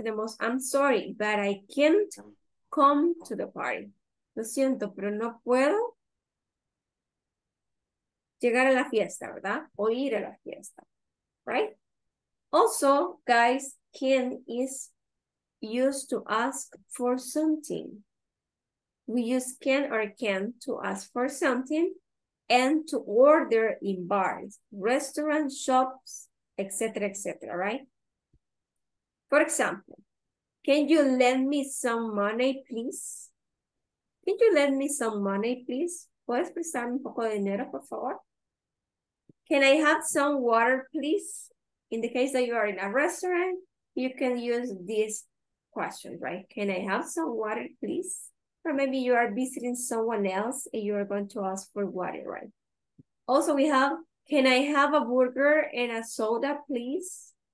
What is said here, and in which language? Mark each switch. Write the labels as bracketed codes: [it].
[en] Tenemos, I'm sorry, but I can't come to the party. [es] Lo siento, pero no puedo llegar a la fiesta, ¿verdad? O ir a la fiesta, [en] right? Also, guys, can is used to ask for something. We use can or can't to ask for something and to order in bars, restaurants, shops, etc., etc., right? For example, can you lend me some money, please? Can you lend me some money, please? [es] ¿Puedes prestarme un poco de dinero, por favor? [en] Can I have some water, please? In the case that you are in a restaurant, you can use this question, right? Can I have some water, please? Or maybe you are visiting someone else and you are going to ask for water, right? Also, we have, can I have a burger and a soda, please?